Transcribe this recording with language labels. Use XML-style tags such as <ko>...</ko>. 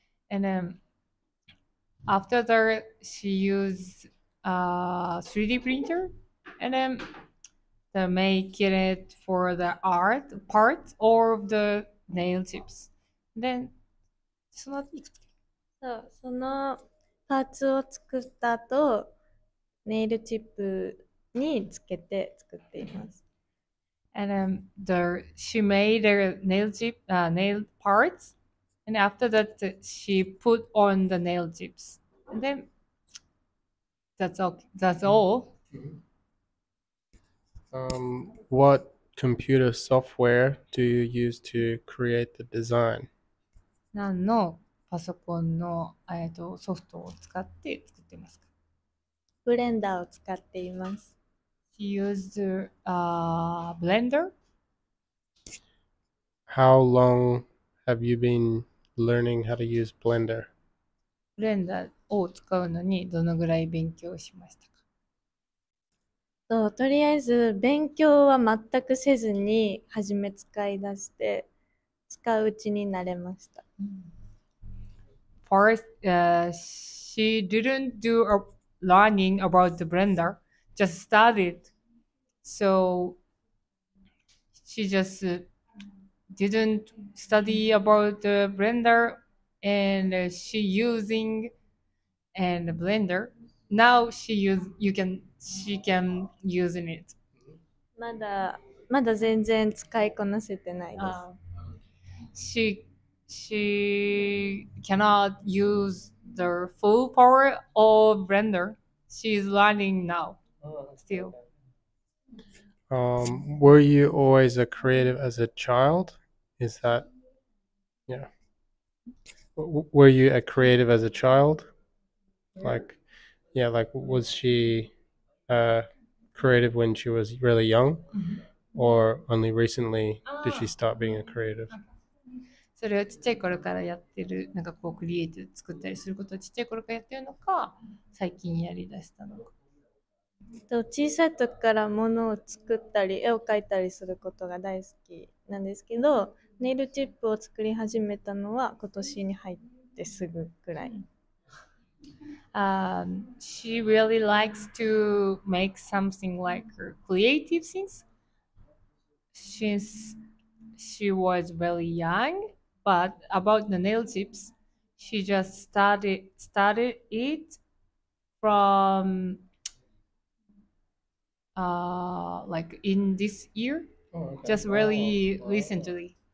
<en>And then after that, she used a 3D printer and then to make it for the art part or the nail tips. And then,</en> <ja>そのそう、そのパーツを作った後、ネイルチップにつけて作っています。</ja> <en>And then she made her nail chip, nail parts, and after that she put on the nail chips. And then that's all. That's all. What computer software do you use to create the design?</en> <ja>何のパソコンのソフトを使って作ってますか？ブレンダーを使っています。</ja> <en>She used a blender. How long have you been learning how to use blender?</en> <ja>ブレンダーを使うのにどのぐらい勉強しましたか？そう、とりあえず勉強は全くせずに初め使い出して使ううちになれました。</ja> <en>First, she didn't do a learning about the blender, just started. So she just didn't study about the blender and she using and the blender. Now she can use it.</en> <ja>まだ全然使いこなせてないです。</ja> <en>She cannot use the full power of blender. She is learning now still. Were you always a creative as a child? Is that, yeah. Were you a creative as a child? Like, yeah, like was she creative when she was really young? Or only recently did she start being a creative?</en> <ja>それをちっちゃい頃からやってる、なんかこうクリエイティブ作ったりすることをちっちゃい頃からやってるのか、最近やりだしたのか。小さい時から物を作ったり絵を描いたりすることが大好きなんですけど、ネイルチップを作り始めたのは今年に入ってすぐくらい。</ja> <en>She really likes to make something like creative things since she was really young, but about the nail chips, she just started it from like in this year, just really recently.</en>